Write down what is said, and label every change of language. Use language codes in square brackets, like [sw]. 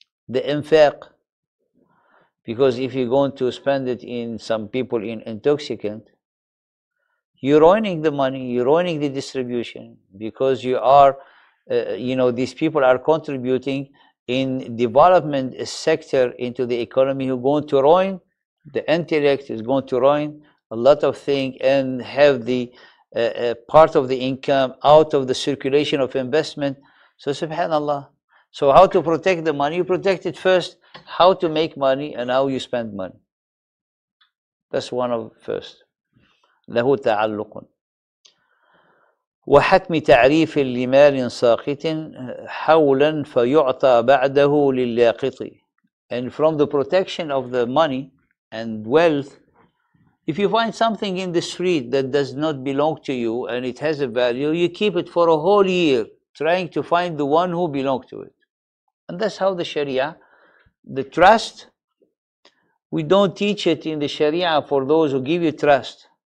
[en] The infaq, because if you're going to spend it in some people in intoxicant, you're ruining the money, you're ruining the distribution, because you are, you know, these people are contributing in development sector into the economy, who are going to ruin, the intellect is going to ruin a lot of things and have the part of the income out of the circulation of investment. So subhanAllah. So how to protect the money? You protect it first, how to make money and how you spend money. That's one of the first. [ar] له تعلق وحتم تعريف لمال ساقط حولا فيعطى بعده للاقط. [en] And from the protection of the money and wealth, if you find something in the street that does not belong to you and it has a value, you keep it for a whole year trying to find the one who belong to it. And that's how the Sharia, the trust, we don't teach it in the Sharia for those who give you trust.